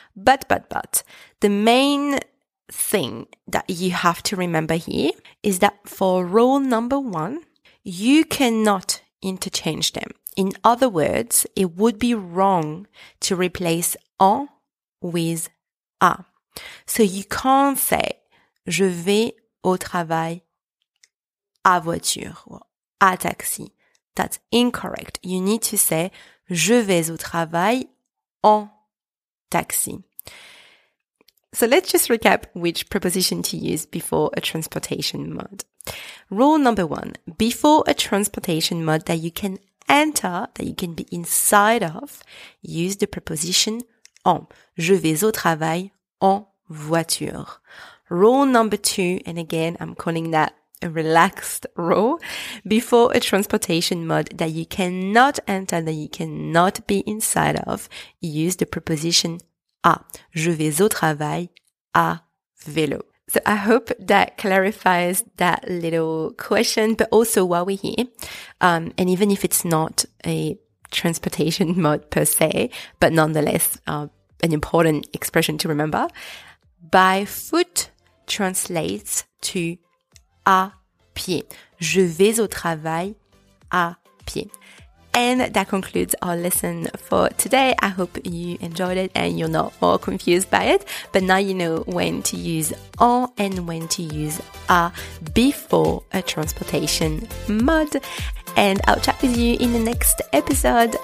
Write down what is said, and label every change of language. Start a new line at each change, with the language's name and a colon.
English: But, the main thing that you have to remember here is that for rule number one, you cannot interchange them. In other words, it would be wrong to replace en with à. So you can't say,
French: je vais au travail à voiture
English: or
French: à taxi.
English: That's incorrect. You need to say,
French: je vais au travail en taxi.
English: So let's just recap which preposition to use before a transportation mode. Rule number one, before a transportation mode that you can enter, that you can be inside of, use the preposition en.
French: Je vais au travail en voiture.
English: Rule number two, and again, I'm calling that a relaxed rule, before a transportation mode that you cannot enter, that you cannot be inside of, use the preposition à.
French: Je vais au travail à vélo.
English: So I hope that clarifies that little question, but also while we're here, and even if it's not a transportation mode per se, but nonetheless, an important expression to remember, by foot translates to
French: à pied. Je vais au travail à pied.
English: And that concludes our lesson for today. I hope you enjoyed it and you're not more confused by it. But now you know when to use en and when to use à before a transportation mode. And I'll chat with you in the next episode.